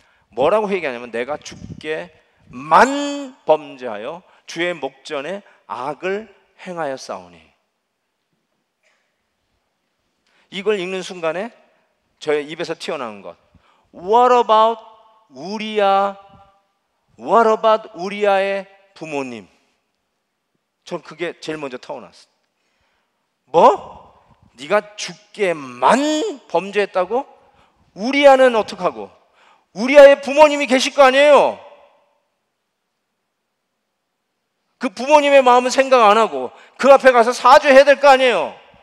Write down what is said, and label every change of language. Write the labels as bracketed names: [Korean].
[Korean] 뭐라고 회개하냐면 내가 주께만 범죄하여 주의 목전에 악을 행하여 싸우니. 이걸 읽는 순간에 저의 입에서 튀어나온 것, [English] What about Uriah? What about Uriah의 [Korean] 부모님? 전 그게 제일 먼저 터져나왔어요. 뭐? 네가 주께만 범죄했다고? 우리아는 어떡하고? 우리아의 부모님이 계실 거 아니에요. 그 부모님의 마음은 생각 안 하고 그 앞에 가서 사죄해야 될 거 아니에요.